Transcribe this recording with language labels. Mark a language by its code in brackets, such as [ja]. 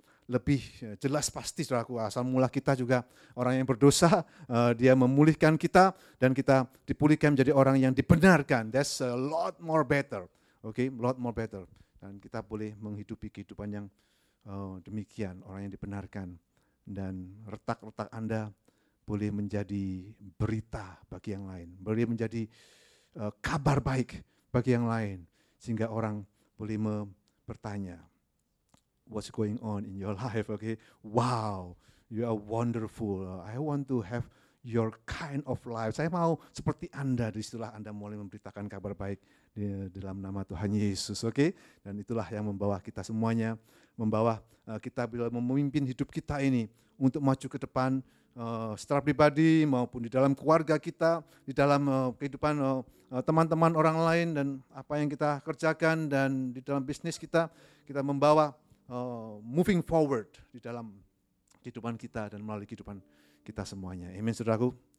[id] Lebih jelas pasti, saudaraku, asal mula kita juga orang yang berdosa, Dia memulihkan kita dan kita dipulihkan menjadi orang yang dibenarkan. [en] That's a lot more better. [id] Okay? A lot more better. Dan kita boleh menghidupi kehidupan yang demikian, orang yang dibenarkan. Dan retak-retak Anda boleh menjadi berita bagi yang lain. Boleh menjadi kabar baik bagi yang lain. Sehingga orang boleh bertanya, [en] what's going on in your life? Okay, wow, you are wonderful. I want to have your kind of life. [id] Saya mau seperti Anda, disitulah Anda mulai memberitakan kabar baik di dalam nama Tuhan Yesus. Oke? Dan itulah yang membawa kita semuanya, membawa kita bila memimpin hidup kita ini untuk maju ke depan secara pribadi maupun di dalam keluarga kita, di dalam kehidupan teman-teman orang lain dan apa yang kita kerjakan dan di dalam bisnis kita, kita membawa [en] moving forward [id] di dalam kehidupan kita dan melalui kehidupan kita semuanya. Amin, saudaraku.